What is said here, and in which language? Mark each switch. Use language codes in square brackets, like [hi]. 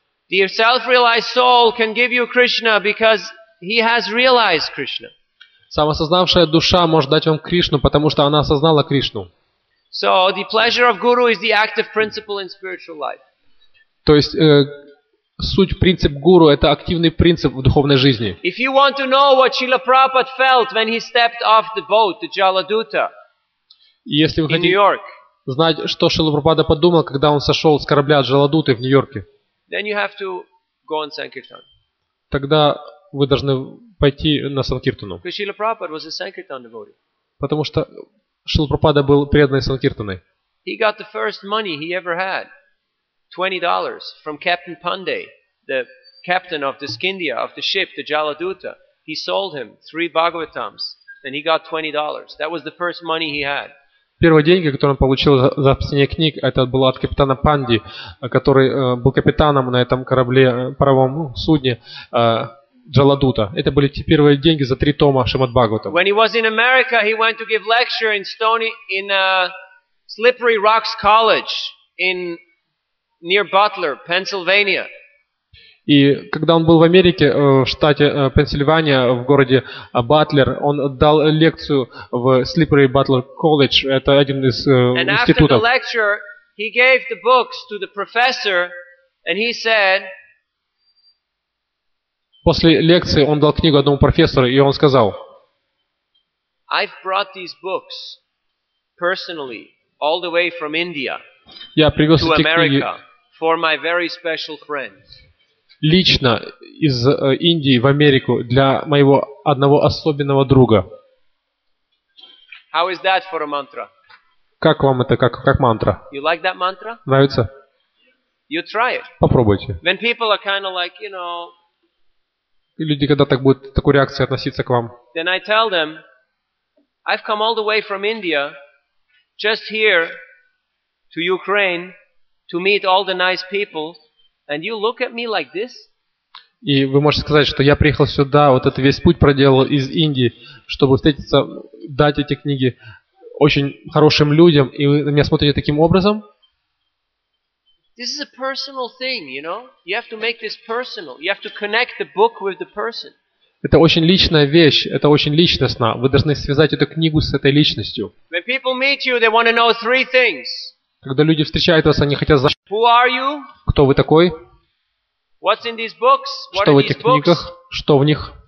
[en] Dear self-realized soul can give you Krishna because he has realized Krishna. [ru] Самосознавшая душа может дать вам Кришну, потому что она осознала Кришну. [en] So the pleasure of guru is the active principle in spiritual life. [ru] То есть суть, принцип гуру – это активный принцип в духовной жизни. [en] If you want to know what Srila Prabhupada felt when he stepped off the boat to Jaladuta in New York, [ru] знать, что Шрила Прабхупада подумал, когда он сошел с корабля Джаладуты в Нью-Йорке, [en] then you have to go on Sankirtan. [ru] Тогда вы должны пойти на Санкиртану. [en] Because Srila Prabhupada was a Sankirtan devotee. [ru] Потому что Шрила Прабхупада был преданный Санкиртаной. [en] He got the first money he ever had. $20 from Captain Pandey, the captain of the Skindia, of the ship, the Jaladuta. He sold him 3 Bhagavatams and he got $20. That was the first money he had. [ru] Первые деньги, которые он получил за написание книг, это было от капитана Панди, который был капитаном на этом корабле, паровом судне Джаладута. Это были те первые деньги за 3 тома Шримад Бхагаватам. [en] When he was in America, he went to give lecture in Stony in Slippery Rocks College in near Butler, Pennsylvania. [ru] И когда он был в Америке, в штате Пенсильвания, в городе Батлер, он дал лекцию в Slippery Butler College. Это один из институтов. [en] And after the lecture, he gave the books to the professor, and he said. [ru] После лекции он дал книгу одному профессору, и он сказал. [en] I've brought these books personally all the way from India to America. For my very special friend. [ru] Лично из Индии в Америку для моего одного особенного друга. [en] How is that for a mantra? [ru] Как вам это как мантра? [en] You like that mantra? [ru] Нравится? [en] You try it. [ru] Попробуйте. [en] When people are kind of like, you know. [ru] Люди когда так будут такую реакцию относиться к вам? [en] Then I tell them, I've come all the way from India, just here to Ukraine. To meet all the nice people, and you look at me like this? [ru] И вы можете сказать, что я приехал сюда, вот этот весь путь проделал из Индии, чтобы встретиться, дать эти книги очень хорошим людям, и вы на меня смотрите таким образом? [en] This is a personal thing, you know. You have to make this personal. You have to connect the book with the person. [ru] Это очень личная вещь. Это очень личностно. Вы должны связать эту книгу с этой личностью. [en] When people meet you, they want to know 3 things. [ru] Когда люди встречают вас, они хотят знать, кто вы такой, [en] what's in these books? What [ru] что в этих книгах, что в них.